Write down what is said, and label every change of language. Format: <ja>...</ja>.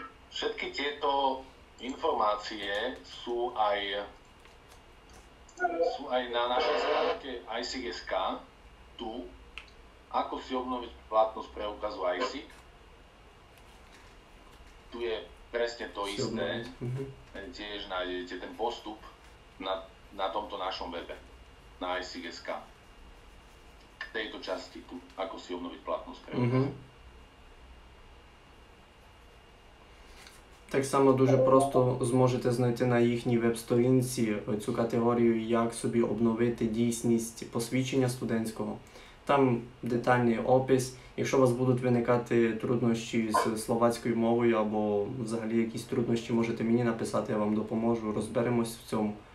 <uk>Всі ці інформації сюй на нашій сторінці ICSK ту.</uk> <sk>Ako si obnoviť platnosť preukazu ISIC? Tu je presne to isté. Tiež nájdete ten postup na tomto našom webe, na ISIC.sk. K tejto časti tu, ako si obnoviť platnosť preukazu.</sk> <uk>Так само дуже просто зможете знайти на їхній веб-сторінці цю категорію, як собі обновити дійсність посвідчення студентського. Там детальний опис. Якщо у вас будуть виникати труднощі з словацькою мовою або взагалі якісь труднощі, можете мені написати, я вам допоможу, розберемось в цьому.</uk>